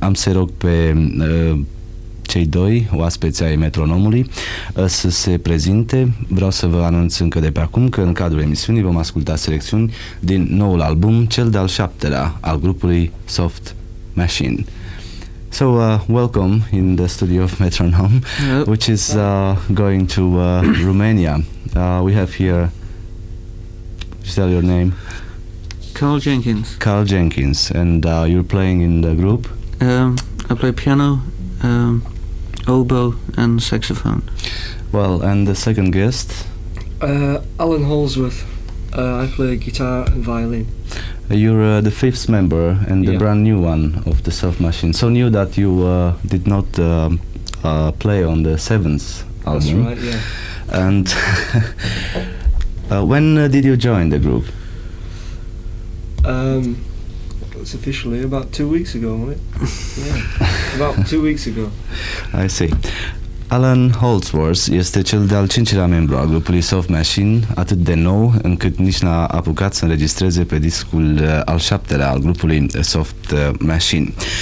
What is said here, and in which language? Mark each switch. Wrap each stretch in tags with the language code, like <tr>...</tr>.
<ro>Am să-i rog pe cei doi oaspeți ai metronomului să se prezinte. Vreau să vă anunț încă de pe acum că în cadrul emisiunii vom asculta selecțiuni din noul album, cel de-al șaptelea al grupului Soft Machine.</ro> <en>So, welcome in the studio of Metronome, which is going to Romania. We have here, just tell your name. Carl Jenkins. Carl Jenkins. And you're playing in the group? I play piano, oboe and saxophone. Well, and the second guest? Alan Holdsworth. I play guitar and violin. You're the fifth member and the brand new one of the Soft Machine. So new that you did not play on the seventh album. That's right, yeah. And when did you join the group? It's officially about 2 weeks ago, wasn't it? Yeah, about 2 weeks ago. I see.</en> <ro>Alan Holdsworth este cel de-al cincilea membru al grupului Soft Machine, atât de nou încât nici n-a apucat să înregistreze pe discul al șaptelea al grupului Soft Machine.</ro>